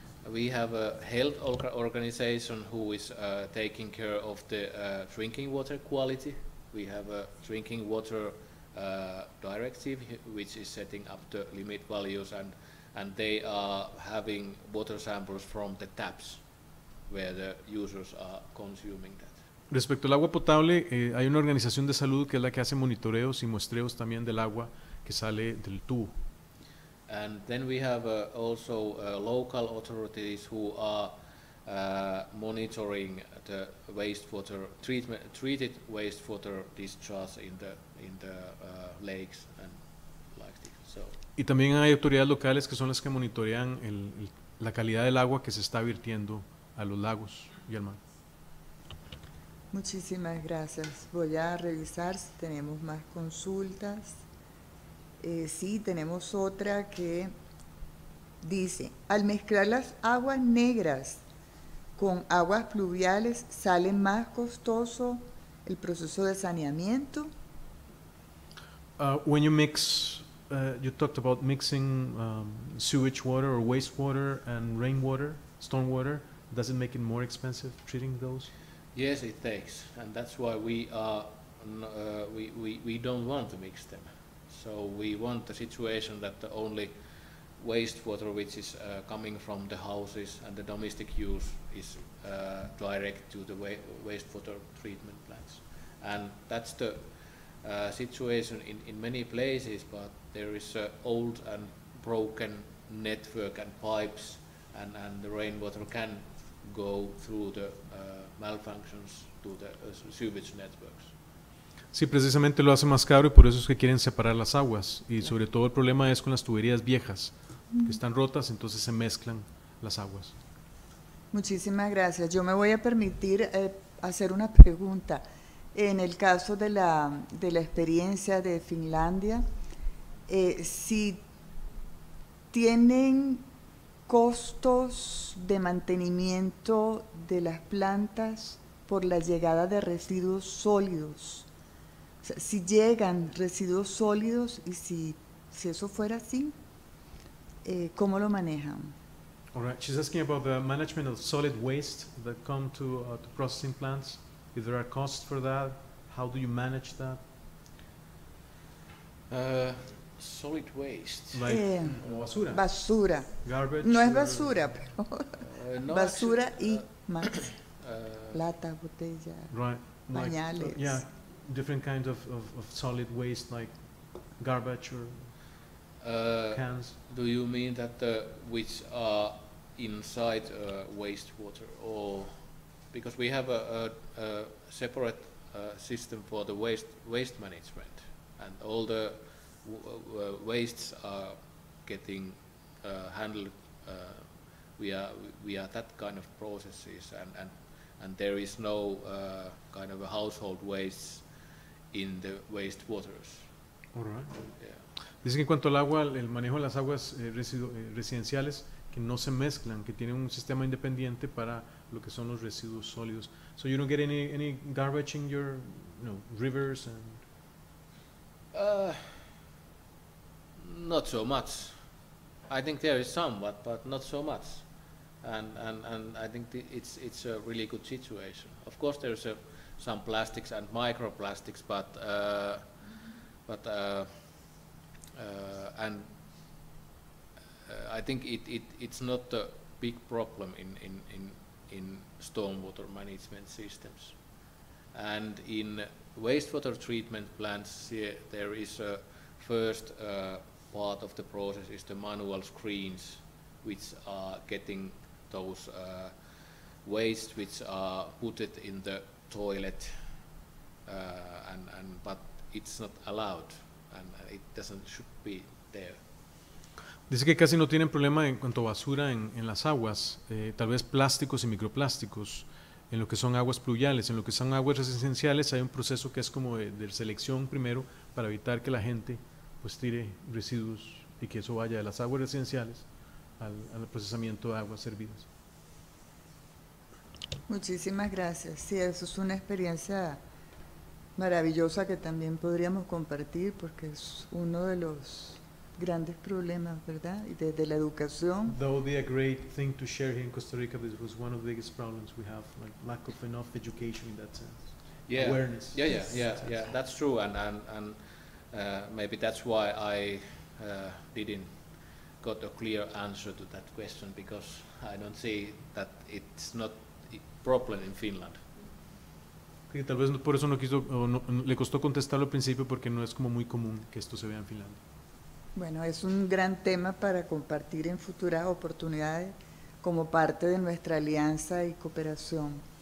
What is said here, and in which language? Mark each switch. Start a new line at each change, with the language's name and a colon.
English: We have a health organization who is taking care of the drinking water quality. We have a drinking water directive which is setting up the limit values, and they are having water samples from the taps where the users are consuming that.
Spanish: Respecto al agua potable, hay una organización de salud que es la que hace monitoreos y muestreos también del agua que sale del tubo.
English: And then we have also local authorities who are monitoring the wastewater treated wastewater discharge in the lakes and like this. So.
Spanish: Y también hay autoridades locales que son las que monitorean la calidad del agua que se está virtiendo a los lagos y al mar. Muchísimas gracias. Voy a revisar si tenemos más consultas. Sí, tenemos otra que dice, al mezclar las aguas negras con aguas pluviales, ¿sale más costoso el proceso de saneamiento?
English: When you mix, you talked about mixing sewage water or wastewater and rainwater, stormwater, does it make it more expensive treating those? Yes, it takes, and that's why we don't want to mix them. So we want the situation that the only wastewater which is coming from the houses and the domestic use is direct to the wastewater treatment plants. And that's the situation in many places, but there is a old and broken network and pipes, and the rainwater can go through the malfunctions to the sewage networks.
Spanish: Sí, precisamente lo hace más caro y por eso es que quieren separar las aguas. Y sobre todo el problema es con las tuberías viejas, que están rotas, entonces se mezclan las aguas. Muchísimas gracias. Yo me voy a permitir hacer una pregunta. En el caso de la experiencia de Finlandia, si tienen costos de mantenimiento de las plantas por la llegada de residuos sólidos, si llegan residuos sólidos y si eso fuera así, ¿cómo lo manejan?
English: All right. She's asking about the management of solid waste that come to processing plants. If there are costs for that, how do you manage that? Solid waste. Like basura.
Spanish: Basura.
English: Garbage.
Spanish: No es basura, pero no basura actually, y más. Plata, botella,
English: right.
Spanish: Pañales.
English: Like, yeah. Different kinds of solid waste, like garbage or cans. Do you mean that which are inside wastewater, or because we have a separate system for the waste management, and all the wastes are getting handled via that kind of processes, and there is no kind of a household waste in the wastewaters. All right. Yeah.
Spanish: Dicen que en cuanto al agua, el manejo de las aguas residenciales, que no se mezclan, que tienen un sistema independiente para lo que son los residuos sólidos.
English: So you don't get any garbage in your, you know, rivers and. Not so much. I think there is some, but not so much. And I think it's a really good situation. Of course, there's a. Some plastics and microplastics, but I think it's not a big problem in stormwater management systems, and in wastewater treatment plants there is a first part of the process is the manual screens, which are getting those waste which are put it in the toilet, and but it's not allowed, and it doesn't should be there.
Spanish: Dice que casi no tienen problema en cuanto a basura en las aguas, tal vez plásticos y microplásticos, en lo que son aguas pluviales. En lo que son aguas residenciales hay un proceso que es como de selección primero para evitar que la gente pues tire residuos y que eso vaya de las aguas residenciales al procesamiento de aguas servidas. Muchísimas gracias. Sí, eso es una experiencia maravillosa que también podríamos compartir porque es uno de los grandes problemas, ¿verdad? Y desde la educación.
English: Though be a great thing to share here in Costa Rica, this was one of the biggest problems we have, like lack of enough education in that sense. Yeah. Awareness. Yeah. That's true, and maybe that's why I didn't got a clear answer to that question, because I don't see that it's not a problem in Finland.
Spanish: Y tal vez por eso no quiso, o no, le costó contestarlo al principio, porque no es como muy común que esto se vea en Finlandia. Bueno, es un gran tema para compartir en futuras oportunidades como parte de nuestra alianza y cooperación.